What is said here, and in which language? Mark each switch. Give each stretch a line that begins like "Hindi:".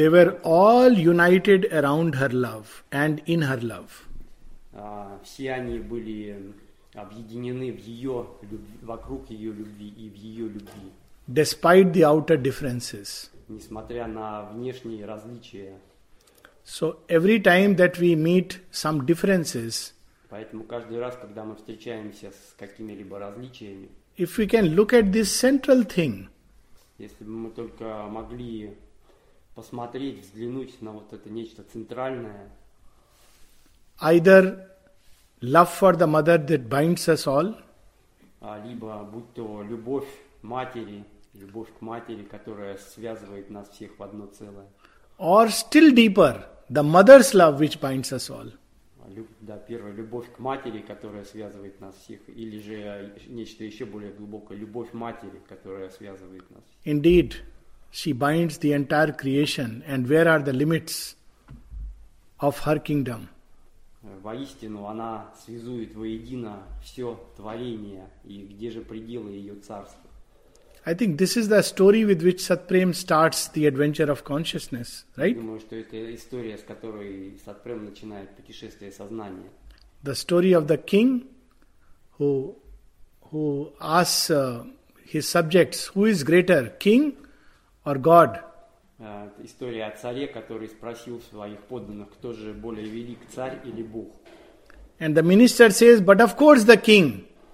English: They were all united around her love and in her love.
Russian: Все они были объединены в ее любви, вокруг ее любви и в ее любви.
English: Despite the outer differences.
Russian: Несмотря на внешние различия.
English: So every time that we meet some differences,
Russian: поэтому каждый раз, когда мы встречаемся с какими-либо различиями,
English: if we can look at this central thing,
Russian: если бы мы только могли посмотреть, взглянуть на вот это нечто центральное,
English: either love for the mother that binds us all,
Russian: либо будь то любовь к матери, которая связывает нас всех в одно целое,
English: or still deeper, the mother's love which binds us all.
Russian: Да, первая любовь к матери, которая связывает нас всех, или же нечто еще более глубокое, любовь матери, которая связывает нас.
English: Indeed, she binds the entire creation, and where are the limits of her kingdom?
Russian: Воистину, она связует воедино все творение, и где же пределы ее царства?
English: I think this is the story with which Satprem starts the adventure of consciousness, right?
Russian: Я думаю, что это история, с которой Сатпрем начинает путешествие сознания.
English: The story of the king who asks his subjects, who is greater, king or God?
Russian: История о царе, который спросил своих подданных, кто же более велик, царь или Бог?
English: And the minister says, but of course the king.